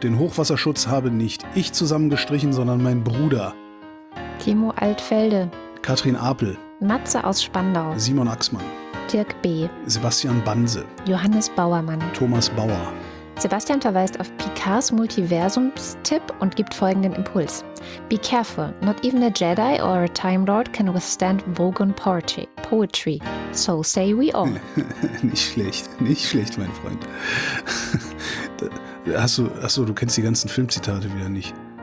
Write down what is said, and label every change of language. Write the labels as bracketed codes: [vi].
[de] Den Hochwasserschutz habe nicht ich zusammengestrichen, sondern mein Bruder. Kimo Altfelde. Katrin Apel. Matze aus Spandau. Simon Axmann. Dirk B. Sebastian Banse. Johannes Bauermann. Thomas Bauer. Sebastian verweist auf Picards Multiversumstipp und gibt folgenden Impuls. [en] Be careful, not even a Jedi or a Time Lord can withstand Vogon Poetry. So say we all. [de] Nicht schlecht, nicht schlecht, mein Freund. Achso, du kennst die ganzen Filmzitate wieder nicht.